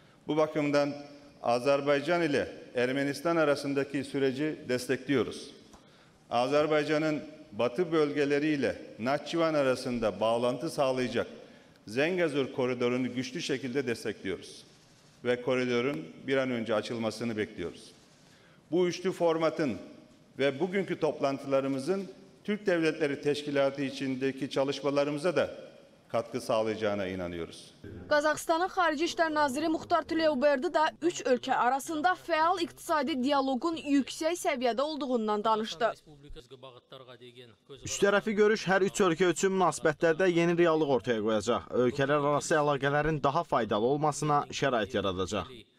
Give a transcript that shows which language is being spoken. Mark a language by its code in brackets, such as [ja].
[tr] Bu baxımdan Azərbaycan ilə Ermənistan arasındakı süreci dəstəkləyoruz. Azərbaycanın batı bölgələri ilə Naxçıvan arasında bağlantı sağlayacaq Zəngəzur koridorunu güçlü şəkildə dəstəkləyoruz və koridorun bir an öncə açılmasını bəkləyoruz. Bu üçlü formatın və bugünkü toplantılarımızın Türk Devletleri Teşkilatı içindeki çalışmalarımıza da katkı sağlayacağına inanıyoruz. [az] Qazaxıstanın Xarici İşlər Naziri Muxtar Tuleuberdi də üç ölkə arasında fəal iqtisadi diyalogun yüksək səviyyədə olduğundan danışdı. Üç tərəfi görüş hər üç ölkə üçün münasibətlərdə yeni reallıq ortaya qoyacaq. Ölkələr arası əlaqələrin daha faydalı olmasına şərait yaradacaq.